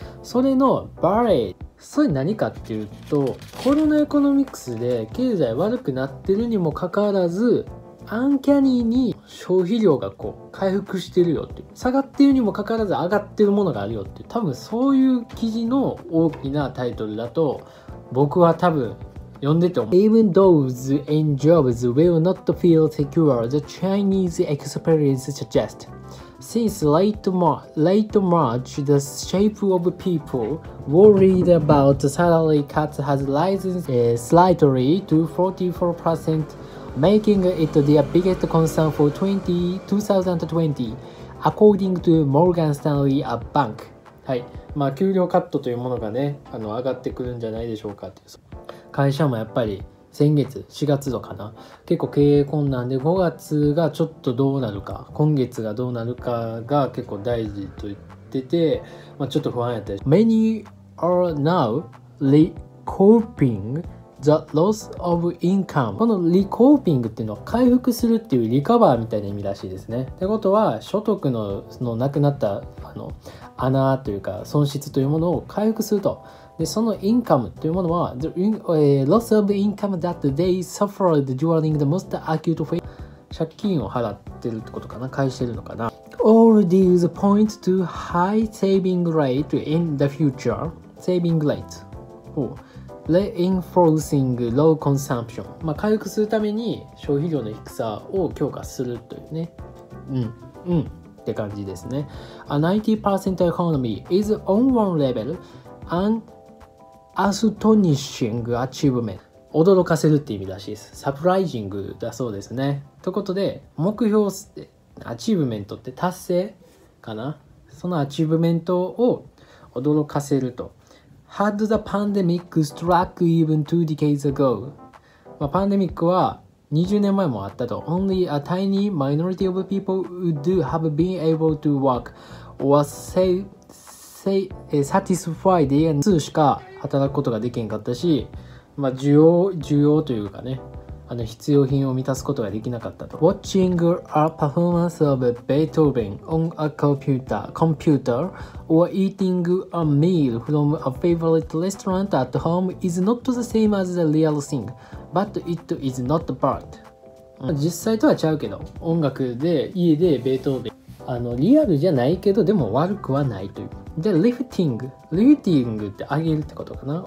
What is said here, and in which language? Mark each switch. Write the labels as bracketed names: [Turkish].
[Japanese] それのバレー、それ何かっていうと、コロナエコノミクスで経済悪くなってるにもかかわらず、アンキャニーに消費量がこう回復してるよっていう、下がってるにもかかわらず上がってるものがあるよっていう、多分そういう記事の大きなタイトルだと僕は多分読んでて思う。 [English] Even those in jobs will not feel secure, the Chinese experience suggests. Since late March, the shape of people worried about salary cuts has risen slightly to 44%, making it their biggest concern for 2020, according to Morgan Stanley, a bank. [Japanese] はい、まあ給料カットというものがね、あの上がってくるんじゃないでしょうかっていう。会社もやっぱり先月4月度かな、結構経営困難で、5月がちょっとどうなるか、今月がどうなるかが結構大事と言ってて、まあ、ちょっと不安やったり。 [English] Many are now recouping the loss of income. [Japanese] この recouping っていうのは回復するっていう、リカバーみたいな意味らしいですね。ってことは、所得のそのなくなったあの穴というか損失というものを回復すると。でそのインカムというものは、 [English] loss of income that they suffered during the most acute phase. [Japanese] 借金を払ってるってことかな、返してるのかな。 [English] All these point to high saving rate in the future. Saving rate for reinforcing low consumption. [Japanese] まあ回復するために消費量の低さを強化するというね。うん。って感じですね。 [English] A 90% economy is on one level and astonishing achievement. [Japanese] 驚かせるって意味らしいです。 Surprising だそうですね。ということで、目標、アチーブメントって達成かな？そのアチーブメントを驚かせると。 [English] Had the pandemic struck even two decades ago? [Japanese] まあ、パンデミックは20年前もあったと。 [English] Only a tiny minority of people would have been able to work or satisfy their needs [Japanese] しか働くことができなかったし、まあ、需要というかね、あの必要品を満たすことができなかったと。 [English] Watching a performance of Beethoven on a computer or eating a meal from a favorite restaurant at home is not the same as the real thing. But it is not bad. [Japanese] 実際とは違うけど、音楽で家でベートーベン、あのリアルじゃないけどでも悪くはないという。で、リフティングって上げるってことかな。